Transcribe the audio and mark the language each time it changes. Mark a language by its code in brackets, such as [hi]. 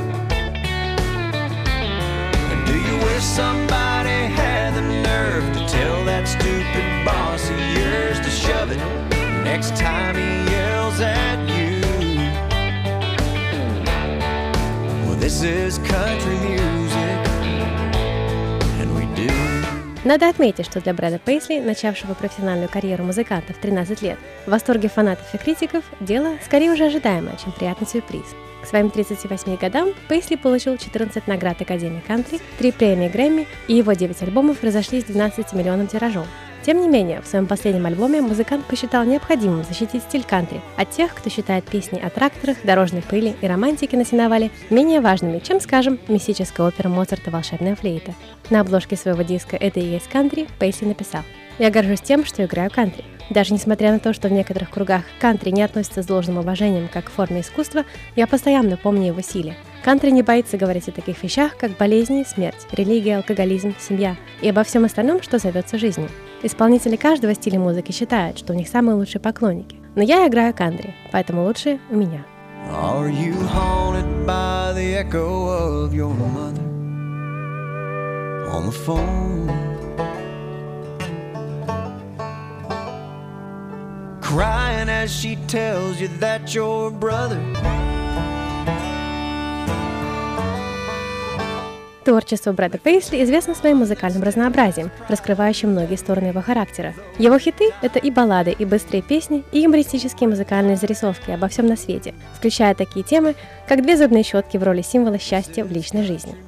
[en] And do you wish somebody had the nerve to tell that stupid boss of yours to shove it next time he yells at you? Well, this is country music. [ru] Надо отметить, что для Брэда Пейсли, начавшего профессиональную карьеру музыканта в 13 лет, в восторге фанатов и критиков, дело скорее уже ожидаемое, чем приятный сюрприз. К своим 38 годам Пейсли получил 14 наград Академии Кантри, 3 премии Грэмми, и его 9 альбомов разошлись 12 миллионам тиражом. Тем не менее, в своем последнем альбоме музыкант посчитал необходимым защитить стиль кантри от тех, кто считает песни о тракторах, дорожной пыли и романтике на сеновале менее важными, чем, скажем, мистическая опера Моцарта «Волшебная флейта». На обложке своего диска «Это и есть кантри» Пейсли написал: «Я горжусь тем, что играю кантри. Даже несмотря на то, что в некоторых кругах кантри не относится с должным уважением как к форме искусства, я постоянно помню его силе. Кантри не боится говорить о таких вещах, как болезни, смерть, религия, алкоголизм, семья и обо всем остальном, что зовется жизнью. Исполнители каждого стиля музыки считают, что у них самые лучшие поклонники. Но я играю кантри, поэтому лучшие у меня». [en] Are you haunted by the echo of your mother on the phone? Crying as she tells you that your brother. [ru] Творчество Брэда Пейсли известно своим музыкальным разнообразием, раскрывающим многие стороны его характера. Его хиты — это и баллады, и быстрые песни, и юмористические музыкальные зарисовки обо всем на свете, включая такие темы, как две зубные щетки в роли символа счастья в личной жизни.